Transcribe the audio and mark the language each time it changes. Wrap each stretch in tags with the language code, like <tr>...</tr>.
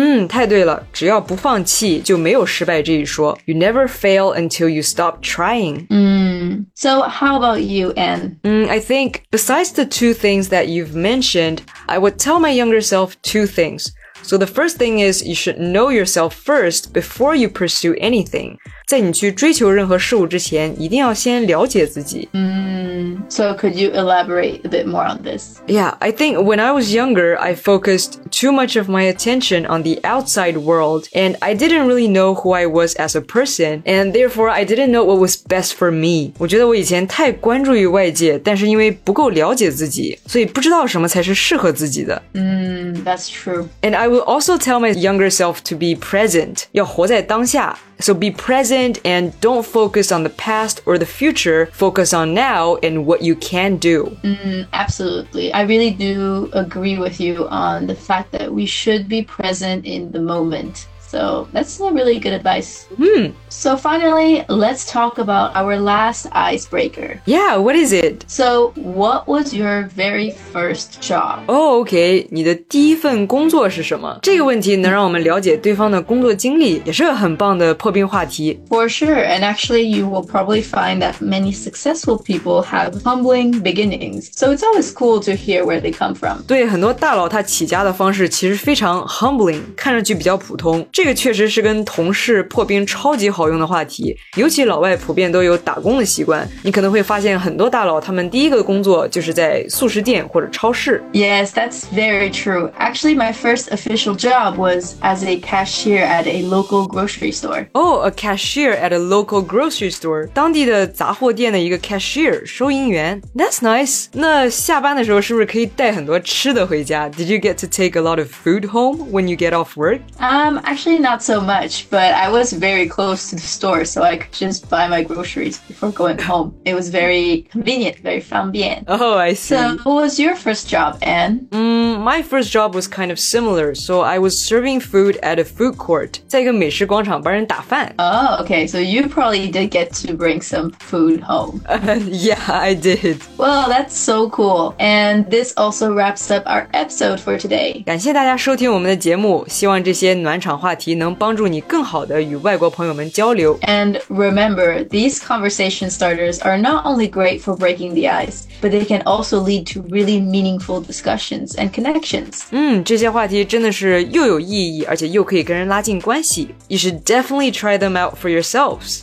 <zh>太对了只要不放弃就没有失败这一说</zh> <en>You never fail until you stop trying So how about you, Anne? I think besides the two things that you've mentioned I would tell my younger self two things. So the first thing is you should know yourself first before you pursue anything.</en> <zh>在你去追求任何事物之前一定要先了解自己。</zh> <en>So could you elaborate a bit more on this? Yeah, I think when I was younger, I focused too much of my attention on the outside world and I didn't really know who I was as a person and therefore I didn't know what was best for me.</en> <zh>我觉得我以前太关注于外界但是因为不够了解自己所以不知道什么才是适合自己的。</zh> <en>That's true. And I would also tell my younger self to be present,</en> <zh>要活在当下。</zh> <en>So be present and don't focus on the past or the future. Focus on now and what you can do. Absolutely. I really do agree with you on the fact that we should be present in the moment. So that's a really good advice. So finally, let's talk about our last icebreaker. Yeah, what is it? So what was your very first job? Oh, okay.</en> <zh>你的第一份工作是什么？这个问题能让我们了解对方的工作经历，也是个很棒的破冰话题。</zh> <en>For sure. And actually, you will probably find that many successful people have humbling beginnings. So it's always cool to hear where they come from.</en> <zh>对，很多大佬他起家的方式其实非常 humbling, 看上去比较普通。这个确实是跟同事破冰超级好用的话题，尤其老外普遍都有打工的习惯，你可能会发现很多大佬他们第一个工作就是在速食店或者超市。</zh> <en>Yes, that's very true. Actually, my first official job was as a cashier at a local grocery store. Oh, a cashier at a local grocery store.</en> <zh>当地的杂货店的一个</zh> <en>cashier,</en> <zh>收银员。</zh> <en>That's nice.</en> <zh>那下班的时候是不是可以带很多吃的回家？</zh> <en>Did you get to take a lot of food home when you get off work? Actually, not so much, but I was very close to the store, so I could just buy my groceries before going home. It was very convenient, very</en> <zh>方便.</zh> <en>Oh, I see. So, what was your first job, Anne? My first job was kind of similar, so I was serving food at a food court,</en> <zh>在一个美食广场帮人打饭。</zh> <en>Oh, okay, so you probably did get to bring some food home. Yeah, I did. Well, that's so cool. And this also wraps up our episode for today.</en> <zh>感谢大家收听我们的节目，希望这些暖场话题能帮助你更好地与外国朋友们交流。</zh> <en>And remember, these conversation starters are not only great for breaking the ice, but they can also lead to really meaningful discussions and connections.</en> <zh>这些话题真的是又有意义，而且又可以跟人拉近关系。</zh> <en>You should definitely try them out for yourselves.</en>